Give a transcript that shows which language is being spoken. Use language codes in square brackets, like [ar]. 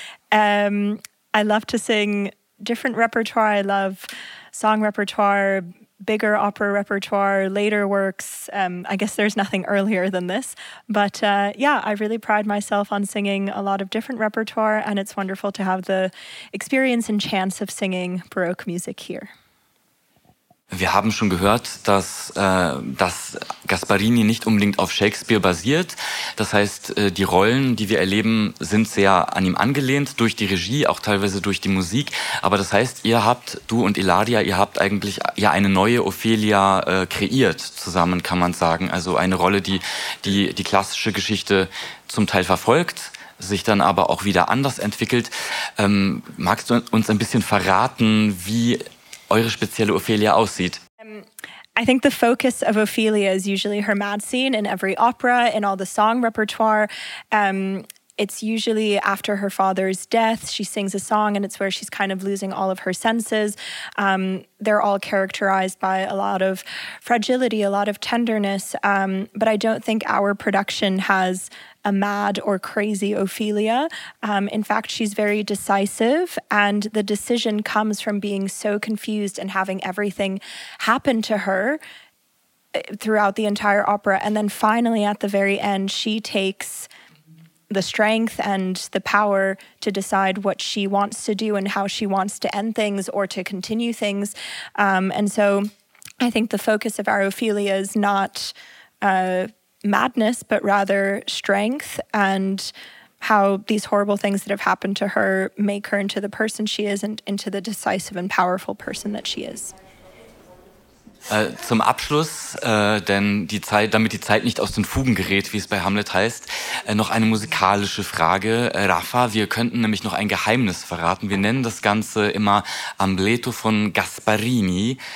[en] I love to sing different repertoire. I love song repertoire, bigger opera repertoire, later works. I guess there's nothing earlier than this. But yeah, I really pride myself on singing a lot of different repertoire, and it's wonderful to have the experience and chance of singing Baroque music here. [de] Wir haben schon gehört, dass Gasparini nicht unbedingt auf Shakespeare basiert. Das heißt, die Rollen, die wir erleben, sind sehr an ihm angelehnt, durch die Regie, auch teilweise durch die Musik. Aber das heißt, du und Ilaria, ihr habt eigentlich ja eine neue Ophelia kreiert, zusammen kann man sagen. Also eine Rolle, die klassische Geschichte zum Teil verfolgt, sich dann aber auch wieder anders entwickelt. Magst du uns ein bisschen verraten, wie eure spezielle Ophelia aussieht? [en] I think the focus of Ophelia is usually her mad scene in every opera, in all the song repertoire. It's usually after her father's death, she sings a song and it's where she's kind of losing all of her senses. They're all characterized by a lot of fragility, a lot of tenderness. But I don't think our production has a mad or crazy Ophelia. In fact, she's very decisive, and the decision comes from being so confused and having everything happen to her throughout the entire opera. And then finally, at the very end, she takes the strength and the power to decide what she wants to do and how she wants to end things or to continue things. And so I think the focus of our Ophelia is not madness, but rather strength and how these horrible things that have happened to her make her into the person she is and into the decisive and powerful person that she is. [de] Zum Abschluss, damit die Zeit nicht aus den Fugen gerät, wie es bei Hamlet heißt, noch eine musikalische Frage. Rafa, wir könnten nämlich noch ein Geheimnis verraten. Wir nennen das Ganze immer Amleto von Gasparini.